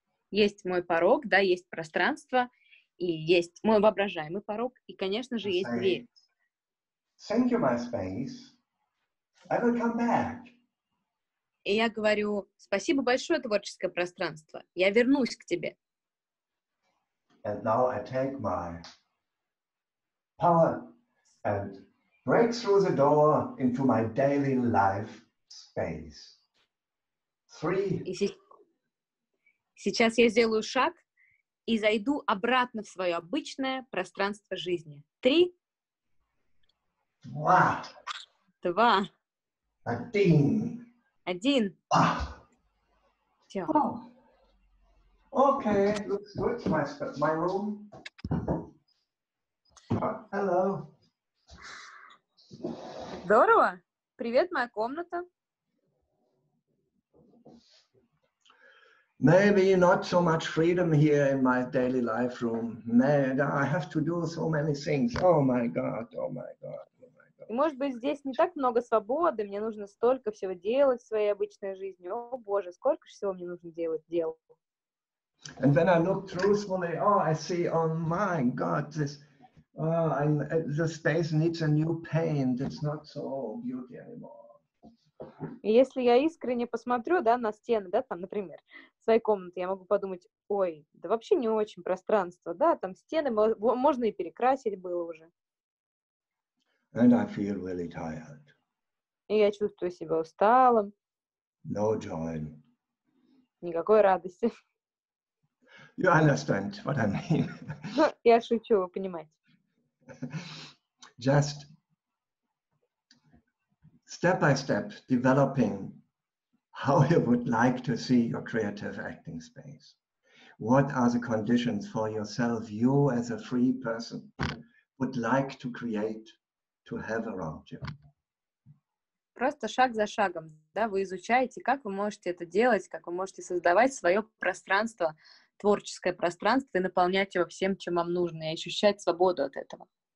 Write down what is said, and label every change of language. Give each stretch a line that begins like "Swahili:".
Russian: Есть мой порог, да, есть пространство. И есть мой воображаемый порог, и, конечно же, есть дверь.
English: Thank you, my space. I will come back.
Russian: И я говорю, спасибо большое, творческое пространство. Я вернусь к тебе.
English: And now I take my power and break through the door into my daily life space.
Russian: Сейчас я сделаю шаг и зайду обратно в свое обычное пространство жизни. Три. Два. Два. Один. Один. Все. Окей,
English: looks good, my room. Hello.
Russian: Здорово. Привет, моя комната.
English: Maybe not so much freedom here in my daily life room. Man, I have to do so many things. Oh my God, oh my God, oh my God.
Russian: Может быть, здесь не так много свободы, мне нужно столько всего делать в своей обычной жизни. О, Боже, сколько же всего мне нужно делать дел.
English: And when I look truthfully, oh, I see, oh my God, this, the space needs a new paint. It's not so beauty anymore.
Russian: И если я искренне посмотрю, да, на стены, да, там, например, в своей комнате, я могу подумать, ой, да вообще не очень пространство, да, там стены можно и перекрасить было уже.
English: And I feel really tired.
Russian: И я чувствую себя усталым.
English: No joy.
Russian: Никакой радости.
English: You understand what I mean.
Russian: Я шучу, вы понимаете.
English: Just step by step developing how you would like to see your creative acting space. What are the conditions for yourself, you as a free person, would like to create, to have around you?
Russian: Просто шаг за шагом, да, вы изучаете, как вы можете это делать, как вы можете создавать свое пространство, творческое пространство и наполнять его всем, чем вам нужно, и ощущать свободу от этого.